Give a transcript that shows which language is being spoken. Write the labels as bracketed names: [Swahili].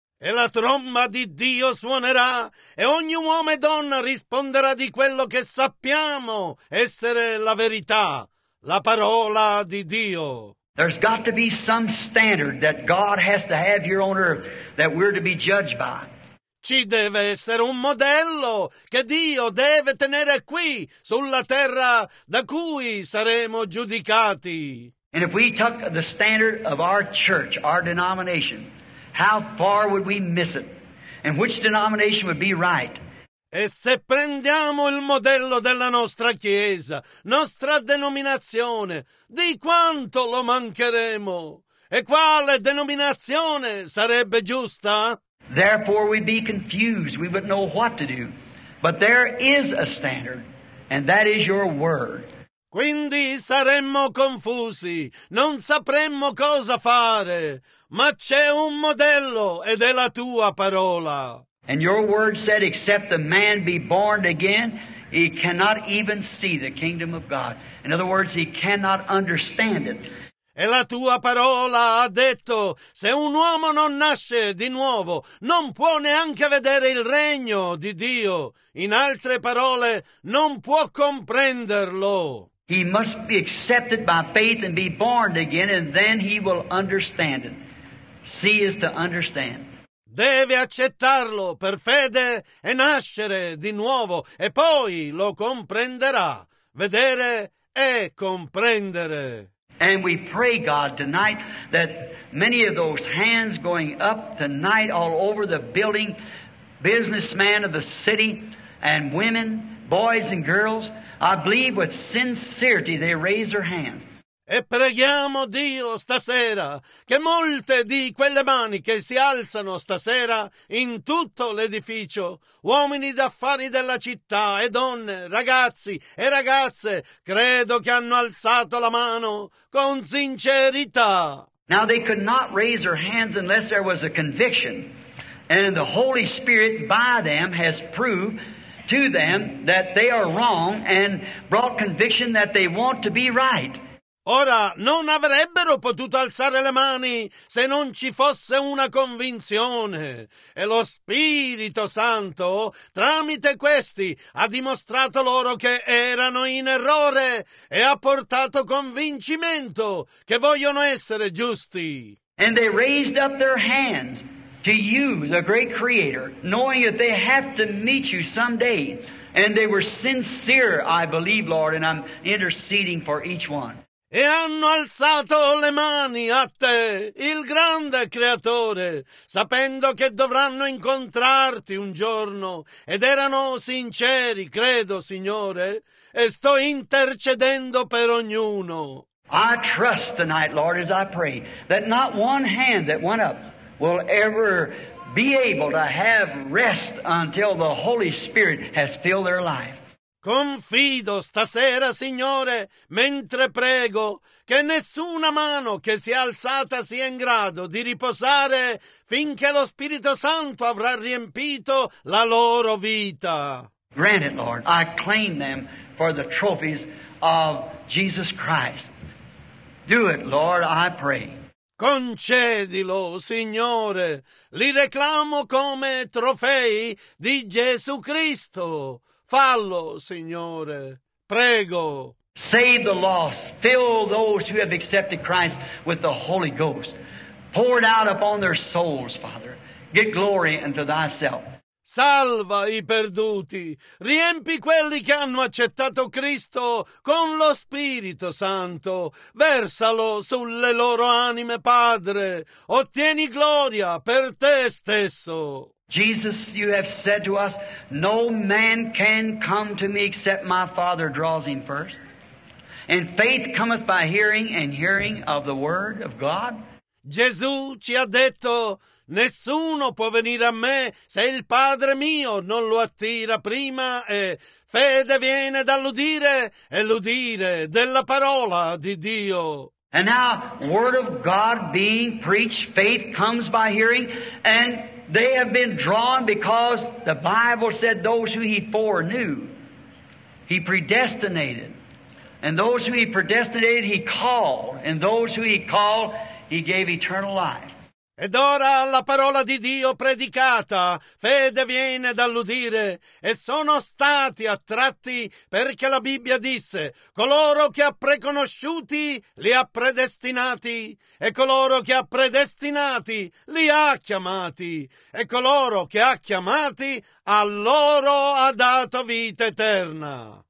[Italian] E la tromba di Dio suonerà, e ogni uomo e donna risponderà di quello che sappiamo essere la verità, la parola di Dio. [English] There's got to be some standard that God has to have here on earth that we're to be judged by. [Italian] Ci deve essere un modello che Dio deve tenere qui, sulla terra, da cui saremo giudicati. [English] And if we took the standard of our church, our denomination, how far would we miss it? And which denomination would be right? [Italian] E se prendiamo il modello della nostra chiesa, nostra denominazione, di quanto lo mancheremo? E quale denominazione sarebbe giusta? [English] Therefore we'd be confused, we wouldn't know what to do. But there is a standard, and that is your word. [Italian] Quindi saremmo confusi, non sapremmo cosa fare, ma c'è un modello ed è la tua parola. [English] And your word said, except the man be born again, he cannot even see the kingdom of God. In other words, he cannot understand it. [Italian] E la tua parola ha detto, se un uomo non nasce di nuovo, non può neanche vedere il regno di Dio. In altre parole, non può comprenderlo. [English] He must be accepted by faith and be born again, and then he will understand it. See is to understand. [Italian] Deve accettarlo per fede e nascere di nuovo, e poi lo comprenderà. Vedere è comprendere. [English] And we pray, God, tonight that many of those hands going up tonight all over the building, businessmen of the city and women, boys and girls, I believe with sincerity they raise their hands. [Italian] E preghiamo Dio stasera che molte di quelle mani che si alzano stasera in tutto l'edificio, uomini d'affari della città e donne, ragazzi e ragazze, credo che hanno alzato la mano con sincerità. [English] Now they could not raise their hands unless there was a conviction, and the Holy Spirit by them has proved to them that they are wrong and brought conviction that they want to be right. [Italian] Ora, non avrebbero potuto alzare le mani se non ci fosse una convinzione. E lo Spirito Santo, tramite questi, ha dimostrato loro che erano in errore e ha portato convincimento che vogliono essere giusti. [English] And they raised up their hands to you, the great Creator, knowing that they have to meet you someday. And they were sincere, I believe, Lord, and I'm interceding for each one. [Italian] E hanno alzato le mani a te, il grande Creatore, sapendo che dovranno incontrarti un giorno. Ed erano sinceri, credo, Signore, e sto intercedendo per ognuno. [English] I trust tonight, Lord, as I pray, that not one hand that went up will ever be able to have rest until the Holy Spirit has filled their life. [Italian] Confido stasera, Signore, mentre prego, che nessuna mano che si è alzata sia in grado di riposare finché lo Spirito Santo avrà riempito la loro vita. [English] Grant it, Lord. I claim them for the trophies of Jesus Christ. Do it, Lord, I pray. [Italian] Concedilo, Signore. Li reclamo come trofei di Gesù Cristo. Fallo, Signore. Prego. [English] Save the lost. Fill those who have accepted Christ with the Holy Ghost. Pour it out upon their souls, Father. Get glory unto thyself. [Italian] Salva i perduti. Riempi quelli che hanno accettato Cristo con lo Spirito Santo. Versalo sulle loro anime, Padre. Ottieni gloria per te stesso. [English] Jesus, you have said to us, no man can come to me except my Father draws him first. And faith cometh by hearing, and hearing of the word of God. [Italian] Gesù ci ha detto, nessuno può venire a me se il Padre mio non lo attira prima. E fede viene dall'udire, e l'udire della parola di Dio. [English] And now, word of God being preached, faith comes by hearing, and they have been drawn because the Bible said those who he foreknew, he predestinated. And those who he predestinated, he called. And those who he called, he gave eternal life. [Italian] Ed ora la parola di Dio predicata, fede viene dall'udire, e sono stati attratti perché la Bibbia disse, coloro che ha preconosciuti li ha predestinati, e coloro che ha predestinati li ha chiamati, e coloro che ha chiamati a loro ha dato vita eterna.